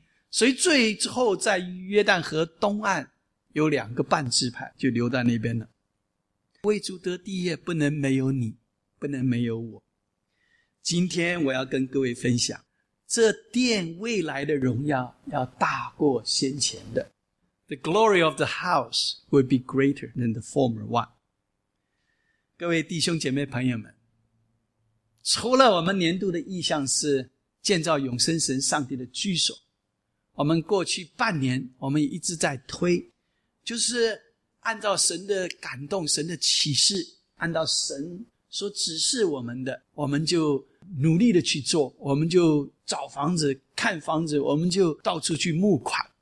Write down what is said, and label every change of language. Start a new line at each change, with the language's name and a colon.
Chinese: 所以最后在约旦河东岸有两个半支派就留在那边了。为主得地业不能没有你，不能没有我。今天我要跟各位分享，这殿未来的荣耀要大过先前的。
English: The glory of the house will be greater than the former one.
Chinese: 各位弟兄姐妹朋友们，除了我们年度的意向是建造永生神上帝的居所，我们过去半年我们也一直在推，就是按照神的感动、神的启示，按照神所指示我们的，我们就努力的去做，我们就找房子、看房子，我们就到处去募款。